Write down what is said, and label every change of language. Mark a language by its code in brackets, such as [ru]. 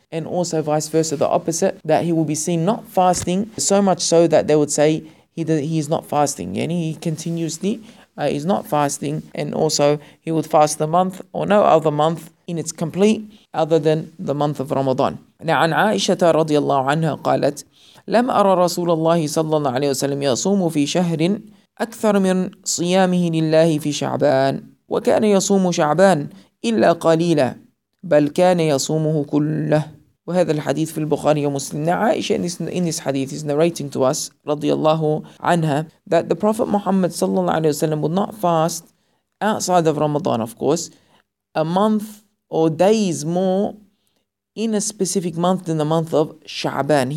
[en] And also vice versa, the opposite, that he will be seen not fasting, so much so that they would say he is not fasting. And he continuously is not fasting. And also he would fast the month or no other month in its complete other than the month of Ramadan. [ar] Now, عن عائشة رضي الله عنها قالت لم أرى رسول الله صلى الله عليه وسلم يصوم في شهر أكثر من صيامه لله في شعبان وكان يصوم شعبان إلا قليلا بل كان يصومه كله. وهذا الحديث في البخاري ومسلم. [en] Now Aisha in this hadith is narrating to us رضي الله عنها that the Prophet Muhammad صلى الله عليه وسلم would not fast outside of Ramadan, of course, a month or days more in a specific month than the month of شعبان.